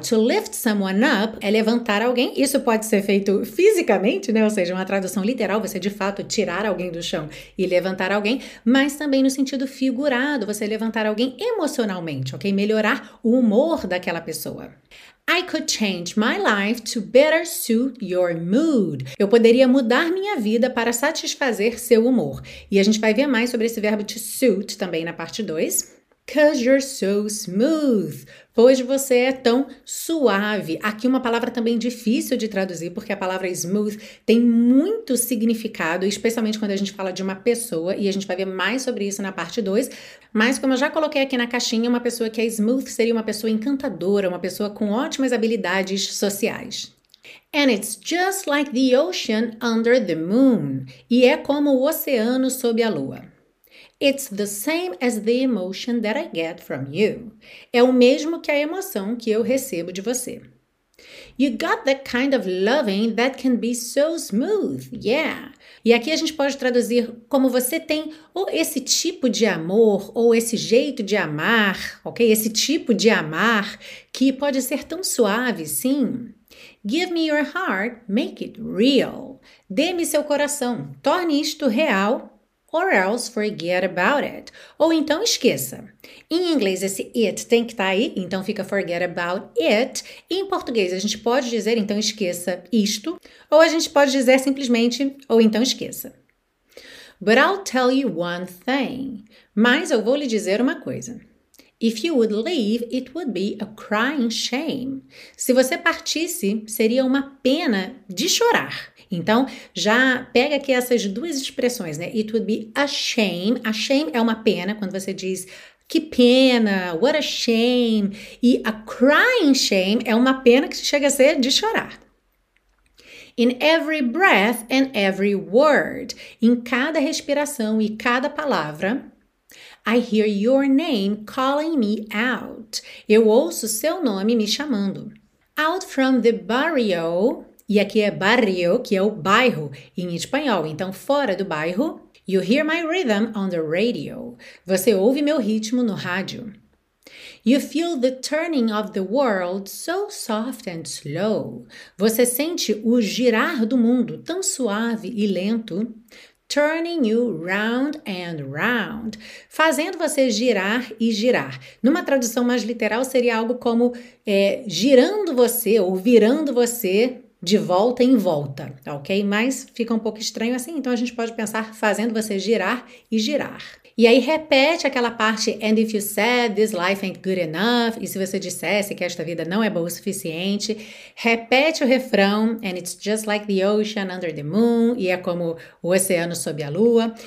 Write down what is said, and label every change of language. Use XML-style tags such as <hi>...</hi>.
<en>To lift someone up</en> <pt>é levantar alguém. Isso pode ser feito fisicamente, né? Ou seja, uma tradução literal, você de fato tirar alguém do chão e levantar alguém. Mas também no sentido figurado, você levantar alguém emocionalmente, ok? Melhorar o humor daquela pessoa.</pt> <en>I could change my life to better suit your mood.</en> <pt>Eu poderia mudar minha vida para satisfazer seu humor. E a gente vai ver mais sobre esse verbo to suit também na parte 2.</pt> <en>'Cause you're so smooth.</en> <pt>Pois você é tão suave. Aqui uma palavra também difícil de traduzir, porque a palavra smooth tem muito significado, especialmente quando a gente fala de uma pessoa, e a gente vai ver mais sobre isso na parte 2. Mas como eu já coloquei aqui na caixinha, uma pessoa que é smooth seria uma pessoa encantadora, uma pessoa com ótimas habilidades sociais.</pt> <en>And it's just like the ocean under the moon.</en> <pt>E é como o oceano sob a lua.</pt> <en>It's the same as the emotion that I get from you.</en> <pt>É o mesmo que a emoção que eu recebo de você.</pt> <en>You got that kind of loving that can be so smooth, yeah.</en> <pt>E aqui a gente pode traduzir como você tem ou esse tipo de amor ou esse jeito de amar, ok? Esse tipo de amar que pode ser tão suave, sim.</pt> <en>Give me your heart, make it real.</en> <pt>Dê-me seu coração, torne isto real.</pt> <en>Or else forget about it.</en> <pt>Ou então esqueça. Em inglês esse it tem que estar aí, então fica</pt> <en>forget about it.</en> <pt>E em português a gente pode dizer então esqueça isto. Ou a gente pode dizer simplesmente ou então esqueça.</pt> <en>But I'll tell you one thing.</en> <pt>Mas eu vou lhe dizer uma coisa.</pt> <en>If you would leave, it would be a crying shame.</en> <pt>Se você partisse, seria uma pena de chorar. Então, já pega aqui essas duas expressões, né?</pt> <en>It would be a shame.</en> <pt>A shame é uma pena quando você diz, que pena,</pt> <en>what a shame.</en> <pt>E</pt> <en>a crying shame</en> <pt>é uma pena que chega a ser de chorar.</pt> <en>In every breath and every word.</en> <pt>Em cada respiração e cada palavra,</pt> <en>I hear your name calling me out.</en> <pt>Eu ouço seu nome me chamando.</pt> <en>Out from the barrio.</en> <pt>E aqui é barrio, que é o bairro em espanhol. Então, fora do bairro.</pt> <en>You hear my rhythm on the radio.</en> <pt>Você ouve meu ritmo no rádio.</pt> <en>You feel the turning of the world so soft and slow.</en> <pt>Você sente o girar do mundo tão suave e lento.</pt> <en>Turning you round and round.</en> <pt>Fazendo você girar e girar. Numa tradução mais literal, seria algo como girando você ou virando você de volta em volta, ok? Mas fica um pouco estranho assim, então a gente pode pensar fazendo você girar e girar. E aí repete aquela parte,</pt> <en>and if you said this life ain't good enough,</en> <pt>e se você dissesse que esta vida não é boa o suficiente, repete o refrão,</pt> <en>and it's just like the ocean under the moon,</en> <pt>e é como o oceano sob a lua.</pt>